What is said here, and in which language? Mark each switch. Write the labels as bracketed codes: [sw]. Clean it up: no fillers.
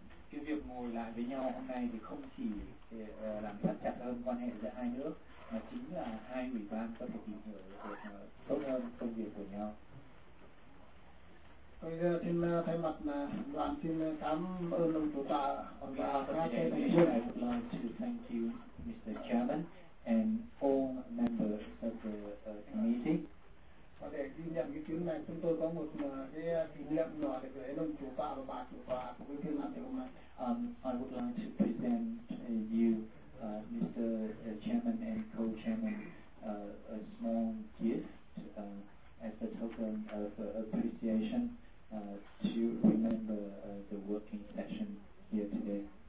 [vi] Cái việc ngồi lại với nhau hôm nay thì không chỉ làm thắt chặt hơn quan hệ giữa hai nước, mà chính là hai ủy ban có thể tìm hiểu được tốt hơn công việc của nhau. Bây giờ xin thay mặt đoàn xin cảm ơn ông chủ tọa và các thành viên. [en] I would like to thank you, Mr. Chairman, and all members of the committee. [vi] Có thể ghi nhận cái chuyến này chúng tôi có một cái kỷ niệm nhỏ để gửi đến ông chủ tọa và bà chủ tọa của cái phiên làm việc hôm nay. [en] I would like to present you, Mr. Chairman and Co-Chairman, a small gift as a token of appreciation to remember the working session here today.